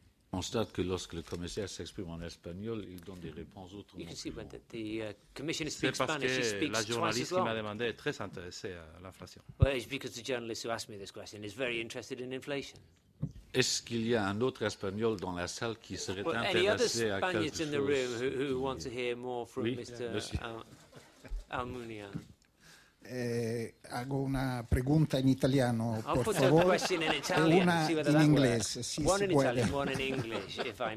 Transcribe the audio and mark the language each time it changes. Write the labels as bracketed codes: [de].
[fr] Constate que lorsque le commissaire s'exprime en espagnol, il donne des réponses autrement. [en] You can see that the commissioner speaks Spanish. She speaks [fr] la journaliste qui m'a demandé est très intéressée à l'inflation. [en] Well, it's because the journalist who asked me this question is very interested in inflation. [fr] Est-ce qu'il y a un autre espagnol dans la salle qui serait intéressé à quelque chose? [en] In the room who want to hear more from Mr. Almunia? [es] Hago una pregunta en italiano, por favor, una en inglés, si se puede.